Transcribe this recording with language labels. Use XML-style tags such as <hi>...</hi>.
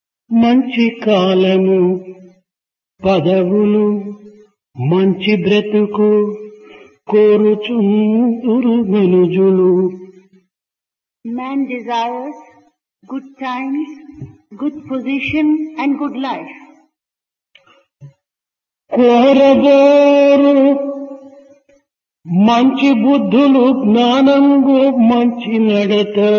<te>మంచి కాలము పదవులు మంచి బ్రతుకు కోరుచుందురు మనుజులు.</te> <en>Man desires good times, good position and good life.</en> <te>కోరగోరు మంచి బుద్ధులు జ్ఞానము మంచి నడత</te>